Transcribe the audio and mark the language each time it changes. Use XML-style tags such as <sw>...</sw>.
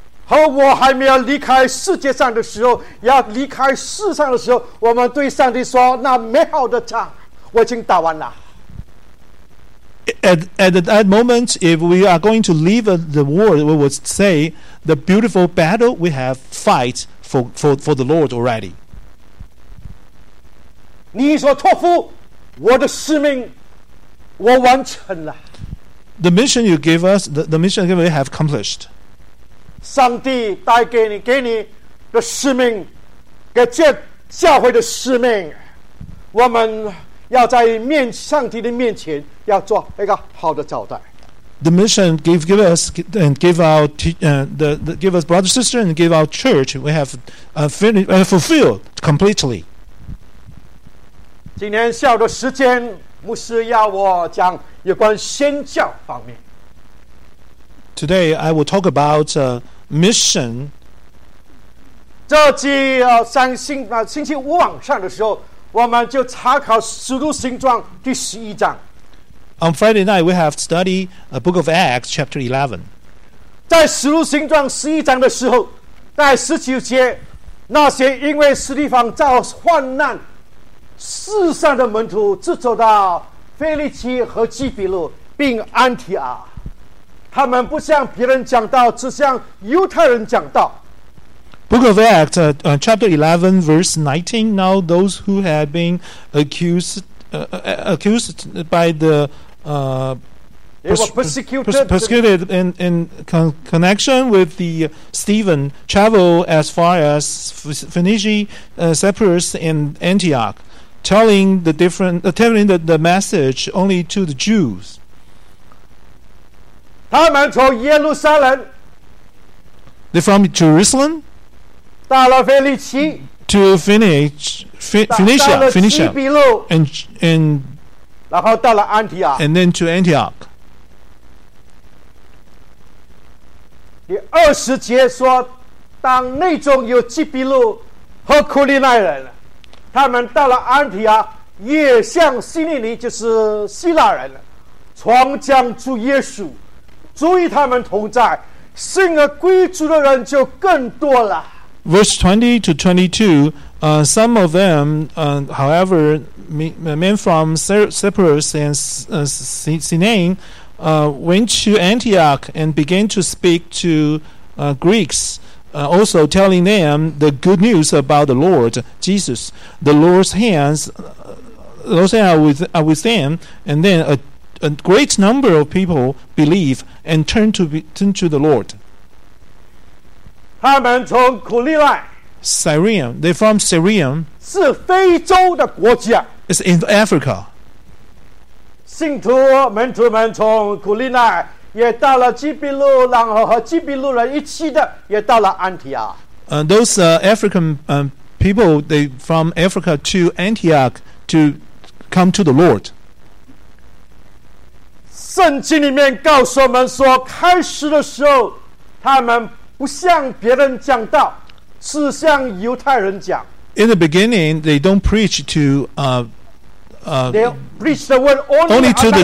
<zh>和我还没有离开世界上的时候，要离开世上的时候，我们对上帝说，那美好的仗我已经打完了。</zh> <en>At that moment, if we are going to leave the war, we would say the beautiful battle we have fight for the Lord already.</en> <zh>你所托付我的使命，我完成了。</zh> <en>The mission you gave us, the mission we have accomplished.</en> <zh>上帝带给你的使命，给教会的使命，我们要在上帝的面前要做一个好的交代。</zh> <en>The mission give us and give out the give us brothers and sisters and give our church we have finished fulfilled completely.</en> <zh>今天下午的时间，牧师要我讲有关宣教方面。</zh> <en>Today I will talk about mission.</en> <zh>这几三星啊，星期五晚上的时候，我们就查考《使徒行传》第十一章。</zh> <en>On Friday night, we have study a Book of Acts, chapter 11.</en> <zh>在《使徒行传》十一章的时候，在十九节，那些因为斯提芳遭患难，世上的门徒只走到腓力基和基比路，并安提阿。他们不向别人讲道，只向犹太人讲道。</zh> <en>Book of Acts, chapter 11, verse 19. Now those who had been accused by the persecuted in connection with the Stephen travel as far as Phoenicia, Cyprus, and Antioch, telling the message only to the Jews.</en> <zh>他们从耶路撒冷</zh> <en>They from Jerusalem</en> <zh>到了腓力基</zh> <en>To Phoenicia</en> <zh>到了基比路</zh> <en>and</en> <zh>然后到了安提阿</zh> <en>And then to Antioch</en> <zh>第二十节说当内中有基比路和库利奈人他们到了安提阿也向希利尼就是希腊人传讲主耶稣所以他们同在，信而归主的人就更多了。</zh> <en>Verse 20 to 22, some of them, however, men from Cyprus and Cyrene, went to Antioch and began to speak to Greeks, also telling them the good news about the Lord Jesus. The Lord's hands, are with them, and then a great number of people believe and turn to the Lord.</en> <zh>他们从库利奈</zh> <en>Cyrene, they're from Cyrene.</en> <zh>是非洲的国家</zh> <en>It's in Africa.</en> <zh>信徒门徒们从库利奈也到了基比路，然后和基比路人一起的也到了安提阿</zh> <en>Those African people, they from Africa to Antioch to come to the Lord.</en> <zh>圣经里面告诉我们说，开始的时候，他们不向别人讲道，是向犹太人讲。</zh> <en>In the beginning, they don't preach to they preach the word only to the</en>